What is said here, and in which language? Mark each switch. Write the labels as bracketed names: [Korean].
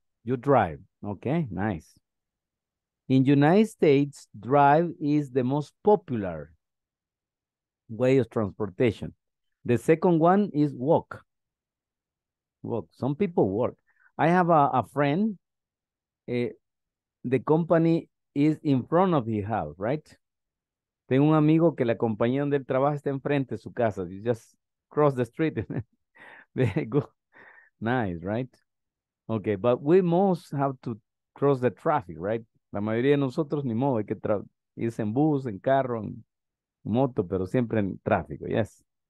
[English] You drive. Okay, nice. In United States, drive is the most popular way of transportation. The second one is walk. Walk. Some people walk. I have a friend. The company is in front of his house, right? [Spanish] Tengo un amigo que la compañía donde él trabaja está enfrente de su casa. [English] You just cross the street. Very good. Nice, right? Okay, but we most have to cross the traffic, right? [Spanish] La mayoría de nosotros, ni modo, hay que ir en bus, en carro, en moto, pero siempre en tráfico, yes.